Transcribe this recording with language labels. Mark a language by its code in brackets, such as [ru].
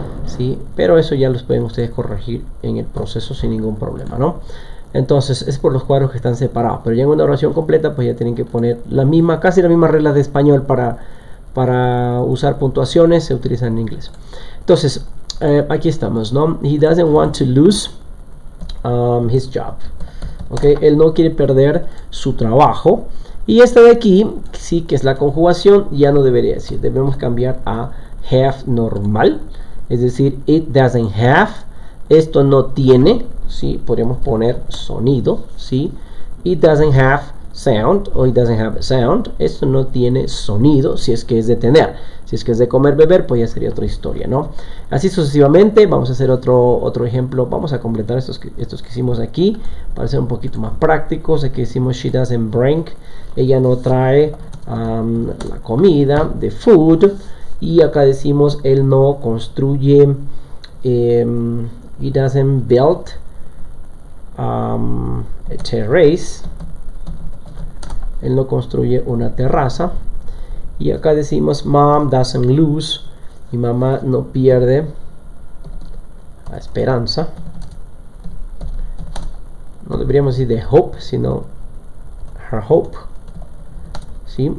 [es] Sí, pero eso ya los pueden ustedes corregir en el proceso sin ningún problema, ¿no? Entonces, es por los cuadros que están separados. Pero ya en una oración completa, pues ya tienen que poner la misma, casi la misma regla de español para usar puntuaciones, se utilizan en inglés. Entonces, aquí estamos, ¿no? [en] He doesn't want to lose his job. [es] Ok, él no quiere perder su trabajo. Y esta de aquí, sí que es la conjugación, ya no debería decir. Debemos cambiar a have normal. Es decir, [en] it doesn't have. [es] Esto no tiene. Sí, podríamos poner sonido. Sí, [en] it doesn't have sound. [es] O [en] it doesn't have sound. [es] Esto no tiene sonido, si es que es de tener. Si es que es de comer, beber, pues ya sería otra historia, ¿no? Así sucesivamente, vamos a hacer otro ejemplo. Vamos a completar estos que hicimos aquí para ser un poquito más prácticos. Aquí decimos, [en] she doesn't bring. [es] Ella no trae la comida, [en] the food. [es] Y acá decimos, él no construye. [en] He doesn't build a terrace. [es] Él no construye una terraza. Y acá decimos [en] mom doesn't lose, [es] mi mamá no pierde la esperanza. No deberíamos decir de hope, sino [en] her hope. [es] ¿Sí?